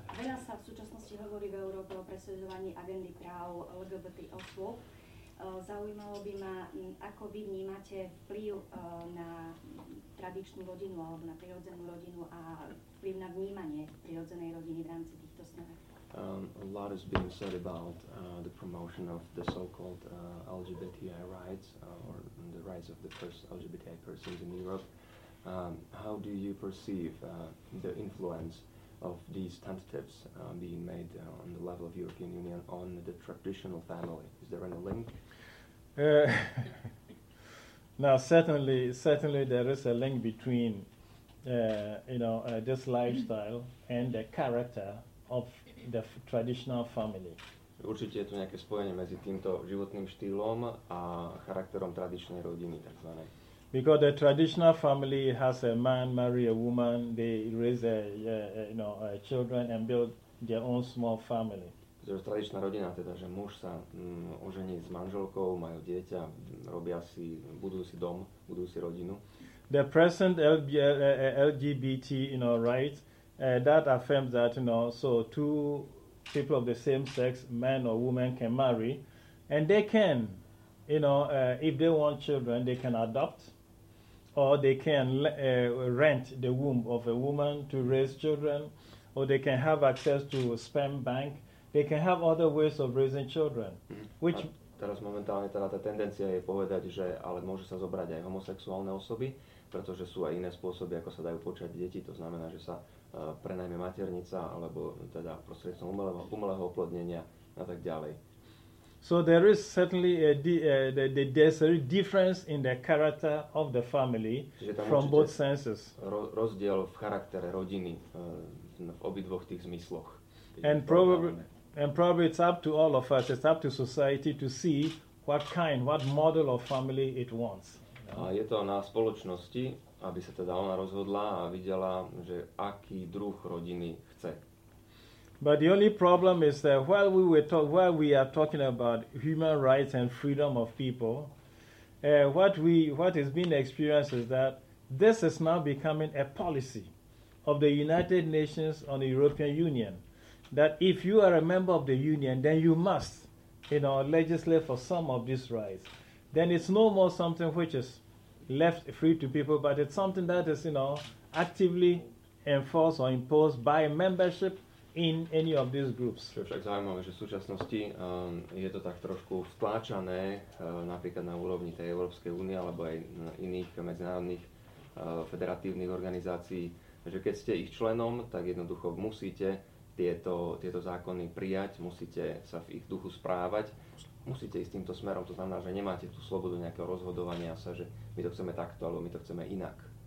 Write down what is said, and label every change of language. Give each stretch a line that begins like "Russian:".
Slovak: Veľa sa v súčasnosti hovorí v Európe o presadzovaní agendy práv LGBT osôb. Zaujímalo by ma, ako vy vnímate vplyv na tradičnú rodinu alebo na prirodzenú rodinu a vplyv na vnímanie prirodzenej rodiny v rámci týchto snah.
English: A lot is being said about the promotion of the so-called LGBTI rights or the rights of the first LGBTI persons in Europe. How do you perceive the influence of these tentatives being made on the level of European Union on the traditional family? Is there any link? Now, certainly there is a link between, this lifestyle and the character of the traditional family. Určite je tu nejaké spojenie medzi týmto životným štýlom a charakterom tradičnej rodiny, takzvanej. Because the traditional family has a man marry a woman, they raise children and build their own small family. Pretože tradičná rodina teda, že muž sa ožení s manželkou, majú dieťa, budujú si dom, budujú si rodinu. The present LGBT, rights, that affirms that, so two people of the same sex, man or woman, can marry, and they can, if they want children, they can adopt, or they can rent the womb of a woman to raise children, or they can have access to a sperm bank. They can have other ways of raising children. Which
Slovak: teraz momentálne teda tá tendencia je povedať, že ale môže sa zobrať aj homosexuálne osoby, pretože sú aj iné spôsoby, ako sa dajú počať deti. To znamená, že sa prenajme maternica, alebo teda prostredníctvom umelého oplodnenia a tak ďalej.
English: So there is certainly a there's a difference in the character of the family from both senses.
Slovak: Rozdiel v charaktere rodiny v obidvoch tých zmysloch.
English: And probably it's up to all of us, it's up to society to see what kind, what model of family it wants.
Slovak: A je to na spoločnosti, aby sa teda ona rozhodla a videla, že aký druh rodiny chce.
English: But the only problem is that while we are talking about human rights and freedom of people, what has been experienced is that this is now becoming a policy of the United Nations and the European Union, that if you are a member of the union, then you must, you know, legislate for some of these rights. Then it's no more something which is left free to people, but it's something that is, you know, actively enforced or imposed by membership in any of these groups.
Slovak: Čo je však zaujímavé, že v súčasnosti je to tak trošku vtláčané napríklad na úrovni tej Európskej únie alebo aj iných medzinárodných federatívnych organizácií, že keď ste ich členom, tak jednoducho musíte tieto zákony prijať, musíte sa v ich duchu správať, musíte ísť týmto smerom, to znamená, že nemáte tú slobodu nejakého rozhodovania sa, že my to chceme takto alebo my to chceme inak.